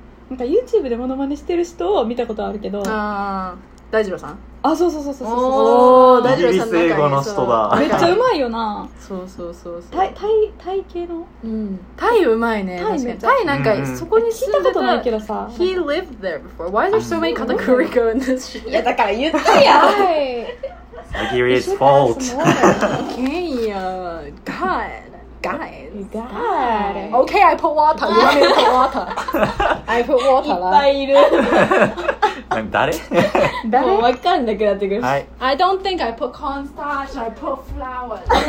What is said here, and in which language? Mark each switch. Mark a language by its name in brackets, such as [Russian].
[Japanese] なんか YouTube でモノマネしてる人を見たことあるけど。大二郎さん？あ、そう。大二郎さん。イギリス英語の人だ。めっちゃうまいよな。そう。タイ系の。うん。タイうまいね。タイなんかそこに聞いたことないけどさ。 [English] He lived there before. Why there so many katakuriko in this shit? [Japanese] いやだから言ったやん。 [English] Sagiris fault. Okay, God. Okay, I put water. You want me to put water? I put water. [Japanese] いっぱいいる。誰？もうわかんなくなってくる。はい。 [English] I don't think I put cornstarch, I put flour.